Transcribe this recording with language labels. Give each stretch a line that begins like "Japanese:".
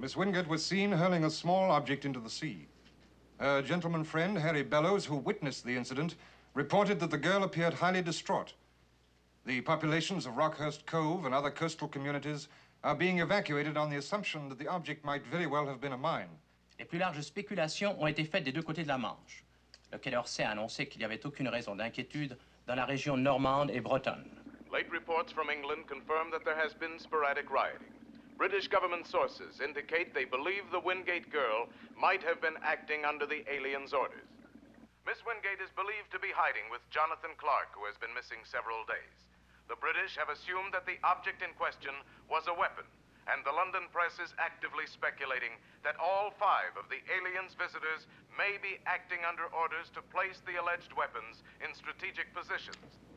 English: Miss Wingert was seen hurling a small object into the sea. Her gentleman friend, Harry Bellows, who witnessed the incident, reported that the girl appeared highly distraught. The populations of Rockhurst Cove and other coastal communities are being evacuated on the assumption that the object might very well have been a mine.
French: Les plus larges spéculations ont été faites des deux côtés de la Manche. Le Quai d'Orsay a annoncé qu'il n'y avait aucune raison d'inquiétude dans la région normande et bretonne.
English: Late reports from England confirm that there has been sporadic rioting. British government sources indicate they believe the Wingate girl might have been acting under the alien's orders. Miss Wingate is believed to be hiding with Jonathan Clark, who has been missing several days. The British have assumed that the object in question was a weapon, and the London press is actively speculating that all five of the alien's visitors may be acting under orders to place the alleged weapons in strategic positions.